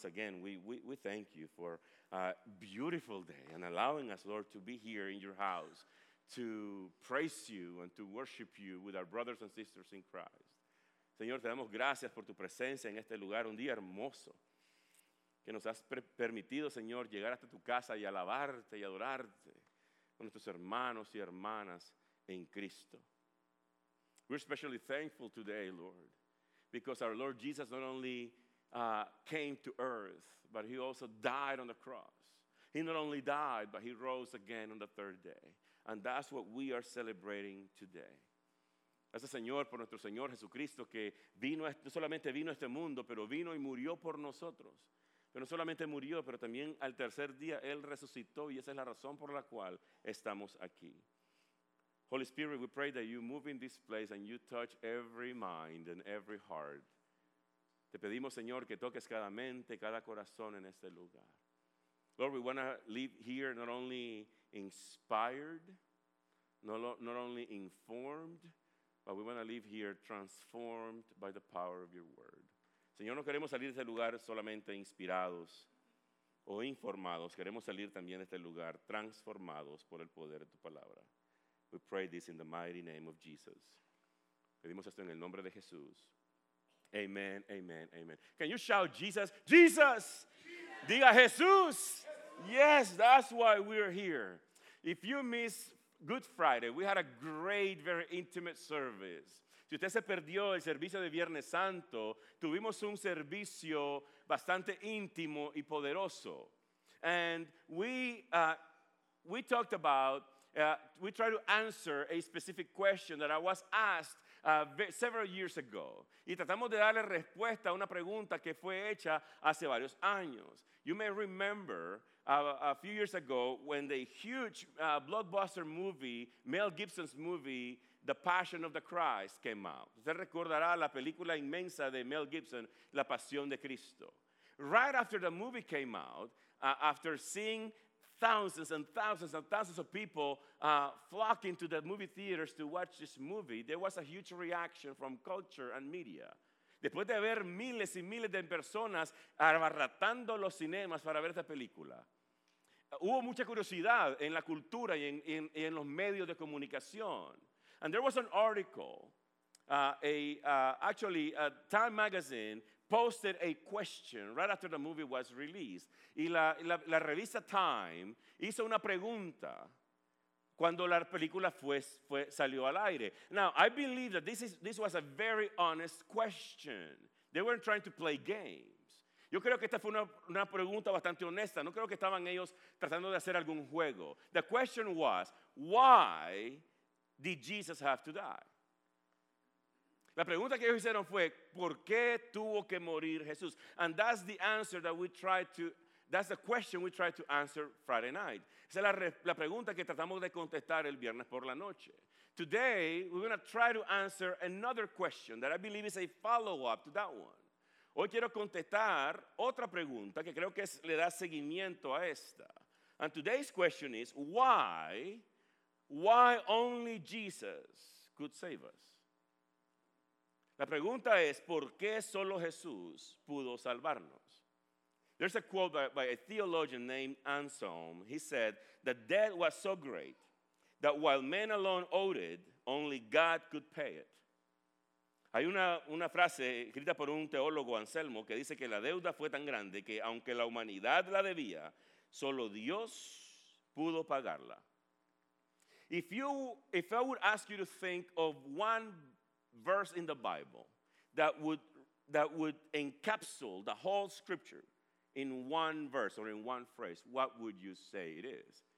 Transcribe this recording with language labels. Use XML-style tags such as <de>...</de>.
<en>again, we thank you for a beautiful day and allowing us, Lord, to be here in your house to praise you and to worship you with our brothers and sisters in Christ.</en> <es>Señor, te damos gracias por tu presencia en este lugar, un día hermoso que nos has permitido, Señor, llegar hasta tu casa y alabarte y adorarte con nuestros hermanos y hermanas en Cristo.</es> <en>We're especially thankful today, Lord, because our Lord Jesus not only came to earth, but he also died on the cross. He not only died, but he rose again on the third day. And that's what we are celebrating today.</en> <es>Gracias, Señor, por nuestro Señor Jesucristo, que vino, no solamente vino a este mundo, pero vino y murió por nosotros. Pero no solamente murió, pero también al tercer día él resucitó, y esa es la razón por la cual estamos aquí.</es> <en>Holy Spirit, we pray that you move in this place and you touch every mind and every heart.</en> <es>Te pedimos, Señor, que toques cada mente, cada corazón en este lugar.</es> <en>Lord, we want to leave here not only inspired, not only informed, but we want to leave here transformed by the power of your word.</en> <es>Señor, no queremos salir de este lugar solamente inspirados o informados. Queremos salir también de este lugar transformados por el poder de tu palabra.</es> <en>We pray this in the mighty name of Jesus.</en> <es>Pedimos esto en el nombre de Jesús. Amen, amen, amen.</es> <en>Can you shout Jesus? Jesus! Jesus.</en> <es>Diga Jesús. Jesús.</es> <en>Yes, that's why we're here. If you miss Good Friday, we had a great, very intimate service.</en> <es>Si usted se perdió el servicio de Viernes Santo, tuvimos un servicio bastante íntimo y poderoso.</es> <en>And we talked about, we tried to answer a specific question that I was asked several years ago.</en> <es>Y tratamos de darle respuesta a una pregunta que fue hecha hace varios años.</es> <en>You may remember a few years ago when the huge blockbuster movie, Mel Gibson's movie, The Passion of the Christ, came out.</en> <es>Usted recordará la película inmensa de Mel Gibson, La Pasión de Cristo.</es> <en>Right after the movie came out, after seeing thousands and thousands and thousands of people flocking to the movie theaters to watch this movie, there was a huge reaction from culture and media.</en> <es>Después de ver miles y miles de personas abarrotando los cinemas para ver esta película, hubo mucha curiosidad en la cultura y en los medios de comunicación.</es> <en>And there was an article, Time Magazine posted a question right after the movie was released.</en> <es>Y la revista Time hizo una pregunta cuando la película salió al aire.</es> <en>Now, I believe that this was a very honest question. They weren't trying to play games.</en> <es>Yo creo que esta fue una pregunta bastante honesta. No creo que estaban ellos tratando de hacer algún juego.</es> <en>The question was, why did Jesus have to die?</en> <es>La pregunta que ellos hicieron fue, ¿por qué tuvo que morir Jesús?</es> <en>And that's the answer that we tried to, that's the question we tried to answer Friday night.</en> <es>Esa es la pregunta que tratamos de contestar el viernes por la noche.</es> <en>Today, we're going to try to answer another question that I believe is a follow-up to that one.</en> <es>Hoy quiero contestar otra pregunta que creo que le da seguimiento a esta.</es> <en>And today's question is, why only Jesus could save us?</en> <es>La pregunta es, ¿por qué solo Jesús pudo salvarnos?</es> <en>There's a quote by a theologian named Anselm. He said, "The debt was so great that while men alone owed it, only God could pay it."</en> <es>Hay una frase escrita por un teólogo, Anselmo, que dice que la deuda fue tan grande que aunque la humanidad la debía, solo Dios pudo pagarla.</es> <en>If I would ask you to think of one verse in the Bible that would encapsulate the whole scripture in one verse or in one phrase, what would you say it is?</en>